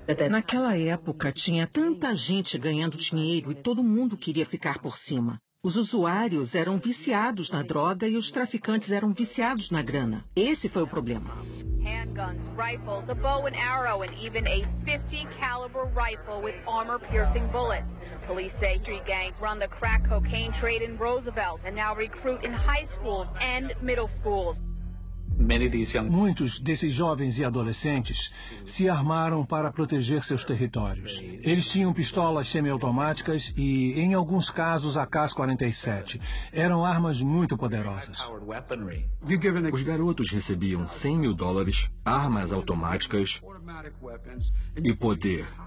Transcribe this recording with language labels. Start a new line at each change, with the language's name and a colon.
Portuguese: Naquela época, tinha tanta gente ganhando dinheiro e todo mundo queria ficar por cima. Os usuários eram viciados na droga e os traficantes eram viciados na grana. Esse foi o problema.
English: Handguns, rifles, a bow and arrow, and even a 50 caliber rifle with armor-piercing bullets. Police say street gangs run the crack cocaine trade in Roosevelt and now recruit in high schools and middle schools.
Portuguese: Muitos desses jovens e adolescentes se armaram para proteger seus territórios. Eles tinham pistolas semiautomáticas e, em alguns casos, AK-47. Eram armas muito poderosas. Os garotos recebiam $100 mil, armas automáticas e poder.